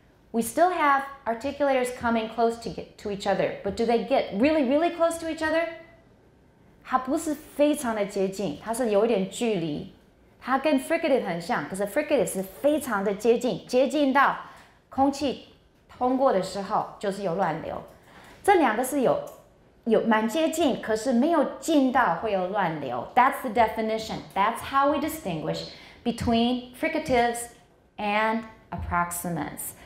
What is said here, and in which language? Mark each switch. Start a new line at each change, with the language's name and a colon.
English: We still have articulators coming close to each other, but do they get really, really close to each other?
Chinese: 它不是非常的接近，它是有一点距离。它跟 fricative 很像，可是 fricative 是非常的接近，接近到空气通过的时候就是有乱流。这两个是有蛮接近，可是没有近到会有乱流。
English: That's the definition. That's how we distinguish between fricatives and approximants.